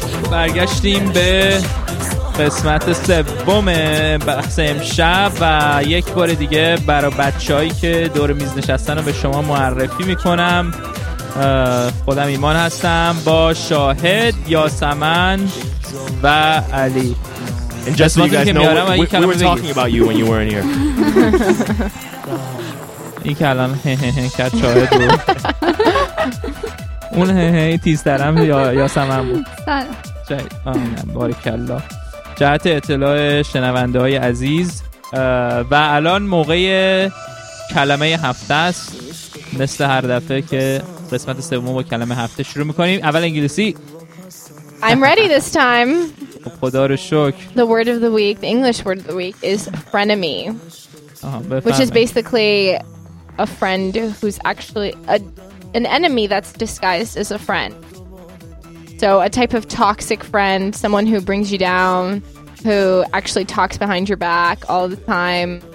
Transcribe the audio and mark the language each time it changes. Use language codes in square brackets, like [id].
[fa] برگشتیم به قسمت سوم بحث امشب و یک بار دیگه برای بچه‌هایی که دور میز نشستن رو به شما معرفی میکنم. خودم ایمان هستم با شاهد، یاسمن و علی. [en] And just so you guys know, we were talking about you when you weren't here. [fa] این که الان کرد شاهد بود، اون تیزترم یاسمن بود. آمین بارکلا. جهت اطلاع شنونده های عزیز، و الان موقع کلمه هفته است، مثل هر دفعه که قسمت سوم با کلمه هفته شروع میکنیم. اول انگلیسی. [en] I'm ready this time. [fa] خدا رو شکر. [en] The word of the week, the English word of the week is frenemy. Which is basically a friend who's actually an enemy that's disguised as a friend. So a type of toxic friend, someone who brings you down, who actually talks behind your back all the time.